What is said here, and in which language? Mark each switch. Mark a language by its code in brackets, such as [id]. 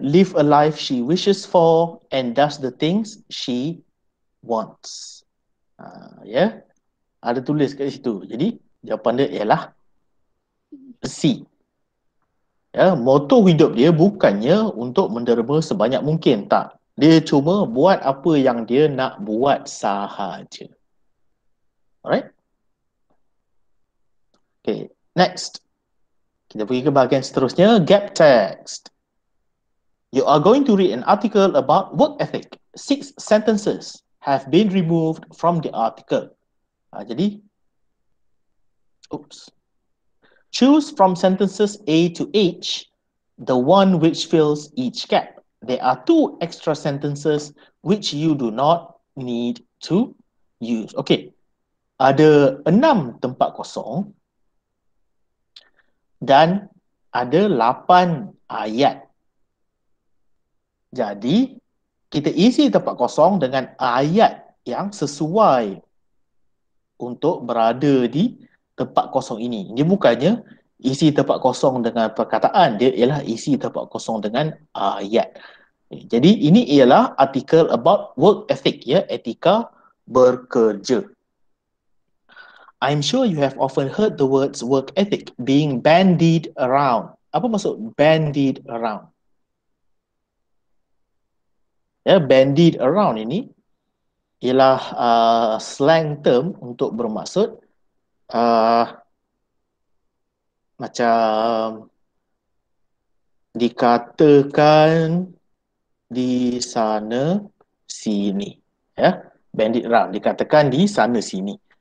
[en] Live a life she wishes for and does the things she wants. [ms] Ya, yeah. Ada tulis kat situ. Jadi jawapan dia ialah C. Ya, yeah. Moto hidup dia bukannya untuk menderma sebanyak mungkin, tak. Dia cuma buat apa yang dia nak buat sahaja. Alright. Okay, next. Kita pergi ke bahagian seterusnya, gap text. [en] You are going to read an article about work ethic. 6 sentences have been removed from the article. Jadi, oops. Choose from sentences A to H, the one which fills each gap. There are 2 extra sentences which you do not need to use. [ms] Okay, ada 6 tempat kosong dan ada 8 ayat. Jadi, kita isi tempat kosong dengan ayat yang sesuai untuk berada di tempat kosong ini. Ini bukannya isi tempat kosong dengan perkataan, dia ialah isi tempat kosong dengan ayat. Jadi ini ialah artikel [en] about work ethic, [ms] ya, etika bekerja. [en] I'm sure you have often heard the words work ethic being bandied around. [ms] Apa maksud bandied around? Ya, bandied around ini ialah slang term untuk bermaksud macam dikatakan di sana sini, ya, bandied around, dikatakan di sana sini.